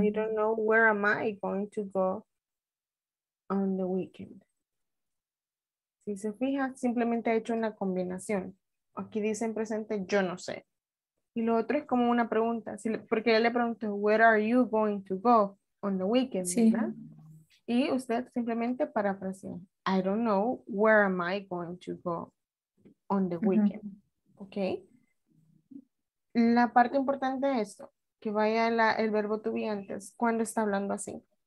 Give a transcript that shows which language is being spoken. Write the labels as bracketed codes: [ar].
[en] I don't know where am I going to go on the weekend. [es] Si se fija, simplemente ha hecho una combinación. Aquí dice en presente, yo no sé. Y lo otro es como una pregunta, porque él le preguntó, [en] where are you going to go on the weekend, [es] sí. ¿Verdad? Y usted simplemente parafraseó, [en] I don't know, where am I going to go on the weekend, uh-huh. [es] ¿Ok? La parte importante de esto, que vaya el verbo to be antes, cuando está hablando así.